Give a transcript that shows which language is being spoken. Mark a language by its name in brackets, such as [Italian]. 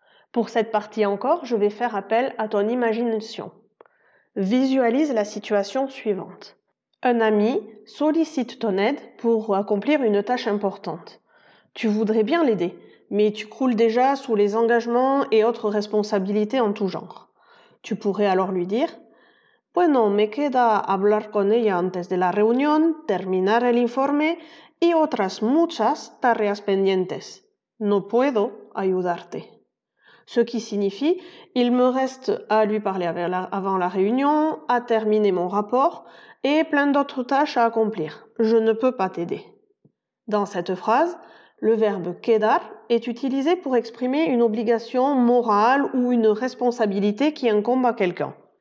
[French] Pour cette partie encore, je vais faire appel à ton imagination. Visualise la situation suivante. Un ami sollicite ton aide pour accomplir une tâche importante. Tu voudrais bien l'aider, mais tu croules déjà sous les engagements et autres responsabilités en tout genre. Tu pourrais alors lui dire [Spanish] « Bueno, me queda hablar con ella antes de la reunión, terminar el informe y otras muchas tareas pendientes. No puedo ayudarte. [French] » Ce qui signifie « Il me reste à lui parler avant la réunion, à terminer mon rapport » et plein d'autres tâches à accomplir. Je ne peux pas t'aider. Dans cette phrase, le verbe quedar est utilisé pour exprimer une obligation morale ou une responsabilité qui incombe à quelqu'un.